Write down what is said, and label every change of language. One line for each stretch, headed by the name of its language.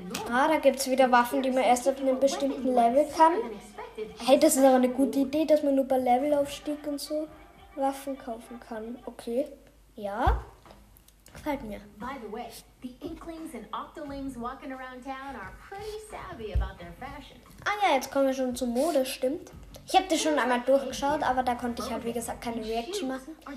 German: Ah, da gibt es wieder Waffen, die man erst auf einem bestimmten Level kann. Hey, das ist aber eine gute Idee, dass man nur bei Levelaufstieg und so Waffen kaufen kann. Okay. Ja. Gefällt mir.
English: By the way, the Inklings and Octolings walking around town are pretty savvy about their fashion.
German: Ah ja, jetzt kommen wir schon zur Mode, stimmt. Ich habe das schon einmal durchgeschaut, aber da konnte ich halt, wie gesagt, keine Reaction machen.